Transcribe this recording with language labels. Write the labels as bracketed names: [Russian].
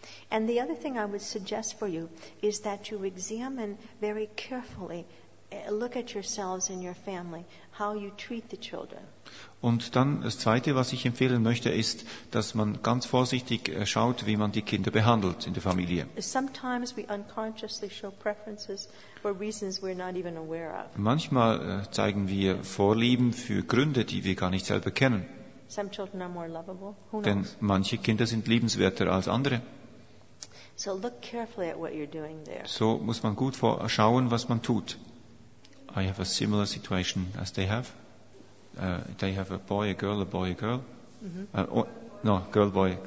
[English] And the other thing I would suggest for you is that you examine very carefully, look at yourselves and your family, how you treat the children. [German] Und dann das Zweite, was ich empfehlen möchte, ist, dass man ganz vorsichtig schaut, wie man die Kinder behandelt in der Familie. [English] Sometimes we unconsciously show preferences for reasons we're not even aware of. [German] Manchmal zeigen wir Vorlieben für Gründe, die wir gar nicht selber kennen. [English] Some children are more lovable. Who knows? [German] Denn manche Kinder sind liebenswerter als andere. [English] So look carefully at what you're doing there. [German] So muss man gut schauen, was man tut. [English] I have a similar situation as they have. They have a boy, a girl. Mm-hmm. Girl, boy.